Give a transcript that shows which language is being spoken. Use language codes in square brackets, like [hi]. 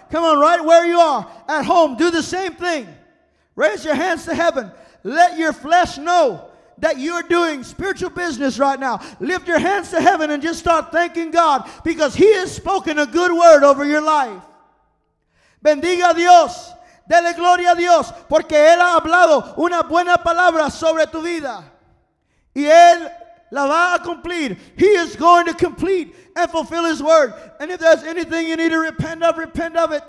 [en] Come on, right where you are, at home, do the same thing. Raise your hands to heaven. Let your flesh know that you're doing spiritual business right now. Lift your hands to heaven and just start thanking God because he has spoken a good word over your life. [es] Bendiga Dios. Dele gloria a Dios porque él ha hablado una buena palabra sobre tu vida. Y él la va a cumplir. [en] He is going to complete and fulfill his word. And if there's anything you need to repent of it.